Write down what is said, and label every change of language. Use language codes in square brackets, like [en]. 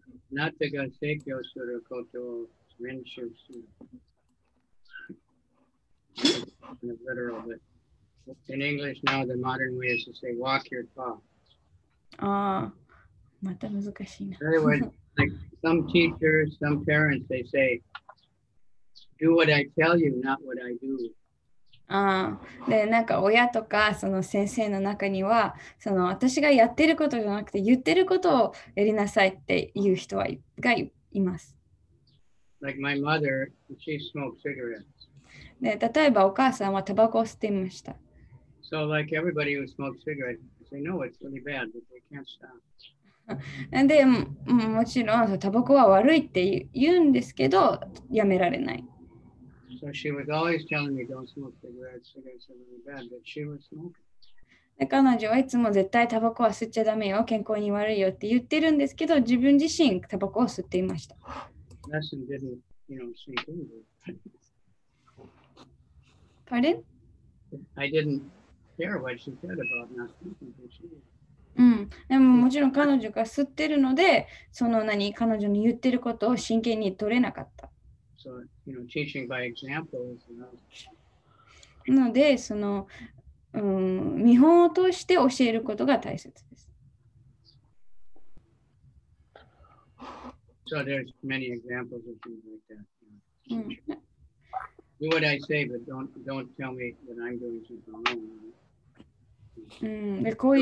[ja] なぜか成長することを練習する。 [en] In a literal, but in English now, the modern way is to say, walk your talk. [ja] ああ、また難しいな。 [en] Anyway, like some teachers, some parents, they say, do what I tell you, not what I do. [ja] ああ、で、なんか親とかその先生の中には、その私がやってることじゃなくて言ってることをやりなさいっていう人がいます。 [en] Like my mother, she smoked cigarettes. [ja] で、例えばお母さんはタバコを吸っていました。 [en] So like everybody who smokes cigarettes, they know it's really bad, but they can't stop. [ja] で、もちろんタバコは悪いって言うんですけど、やめられない。 [en] So she was always telling me, don't smoke cigarettes, cigarettes are really bad, but she was smoking. [ja] 彼女はいつも絶対タバコは吸っちゃダメよ、健康に悪いよって言ってるんですけど、自分自身タバコを吸っていました。 [en] Lesson didn't, you know, sink in. Pardon? I didn't care what she said about not smoking, but she did. [ja] でも、もちろん彼女が吸ってるので、その何、彼女の言ってることを真剣に取れなかった。 [en] So, you know, teaching by example is enough. [ja] なので、その、見本として教えることが大切です。 [en] So there's many examples of things like that. Do what I say, but don't tell me that I'm doing something wrong.